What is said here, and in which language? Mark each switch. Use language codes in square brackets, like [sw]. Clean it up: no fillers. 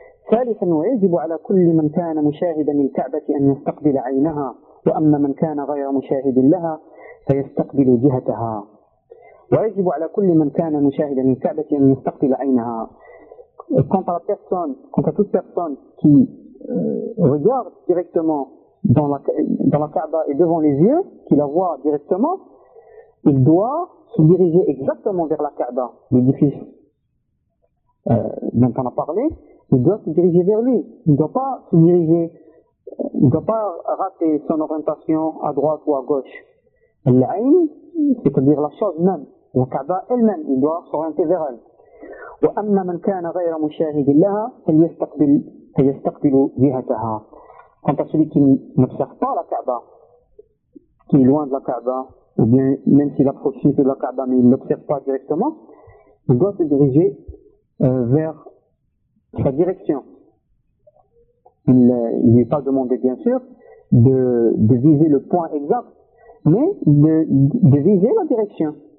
[ar] ثالثا ويجب على كل من كان مشاهدا للكعبة أن يستقبل عينها وأما من كان غير مشاهد لها فيستقبل جهتها ويجب على كل من كان مشاهدا للكعبة أن يستقبل عينها. [fr] Quant à toute personne qui regarde directement dans la Kaaba et devant les yeux, qui la voit directement, il doit se diriger exactement vers la Kaaba, l'édifice dont on a parlé. Il doit se diriger vers lui, il ne doit pas se diriger ne doit pas rater son orientation à droite ou à gauche. L'aïn, c'est-à-dire la chose même, la Kaaba elle-même, il doit s'orienter vers elle. [ar] وأما من كان غير مشاهد لها فيستقبل جهتها. [fr] Quant à celui qui n'observe pas la Kaaba, qui est loin de la Kaaba, ou bien même s'il approche de la Kaaba mais il ne l'observe pas directement, il doit se diriger vers sa direction. Il n'est pas demandé, bien sûr, de viser le point exact, mais de viser la direction.